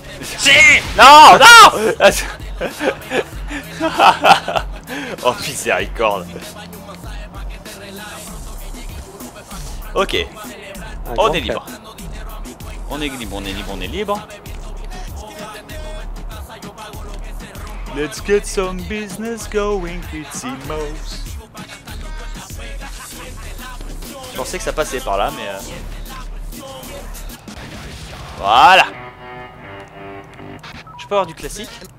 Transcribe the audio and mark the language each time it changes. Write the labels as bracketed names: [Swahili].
[French] Si! Non, non! Oh, miséricorde. Ok. Oh, on est libre. On est libre, on est libre, on est libre. [English] Let's get some business going, it's Imos. [French] Je pensais que ça passait par là, mais... Voilà. Je peux avoir du classique?